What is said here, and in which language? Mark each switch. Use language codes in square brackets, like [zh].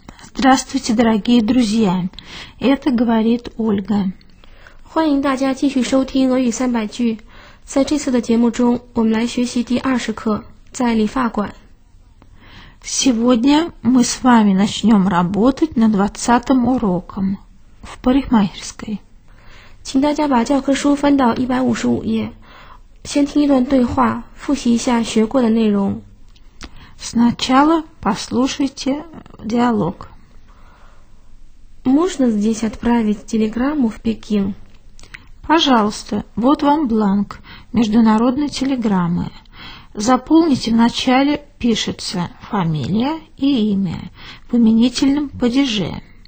[ru] Здравствуйте, дорогие друзья. Это говорит Ольга. [zh] 欢迎大家继续收听俄语三百句。在这次的节目中，我们来学习第20课，在理发馆。 [ru] Сегодня мы с вами начнем работать над 20-м уроком в парикмахерской. [zh] 请大家把教科书翻到155页，先听一段对话，复习一下学过的内容。 [ru] Сначала послушайте диалог. Можно здесь отправить телеграмму в Пекин? Пожалуйста, вот вам бланк международной телеграммы. Заполните вначале, пишется фамилия и имя в именительном падеже.